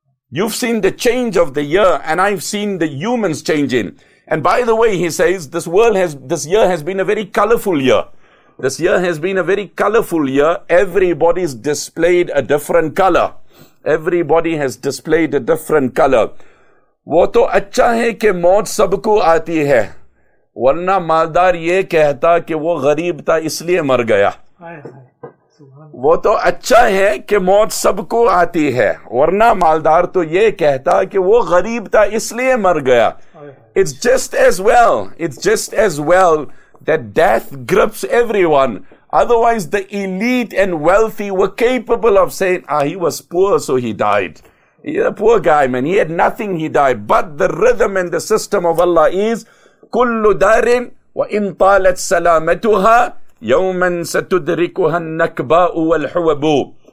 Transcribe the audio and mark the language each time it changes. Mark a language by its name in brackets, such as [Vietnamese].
[English] You've seen the change of the year, and I've seen the humans changing. And by the way, he says, this year has been a very colorful year. Everybody's displayed a different color. Everybody has displayed a different color. [Urdu] Wo to accha hai ke maut sabko aati hai. ورنہ مالدار یہ کہتا کہ وہ غریب تھا اس لیے مر گیا. وہ تو اچھا ہے کہ موت سب کو آتی ہے, ورنہ مالدار تو یہ کہتا کہ وہ غریب تھا اس لیے مر گیا. [English] It's just as well that death grips everyone. Otherwise the elite and wealthy were capable of saying, he was poor so he died. Yeah, poor guy, man. He had nothing, he died. But the rhythm and the system of Allah is, [Arabic] كُلُّ دَارٍ وَإِن طَالَتْ سَلَامَتُهَا يَوْمًا سَتُدْرِكُهَا النَّكْبَاءُ وَالْحُوَبُ.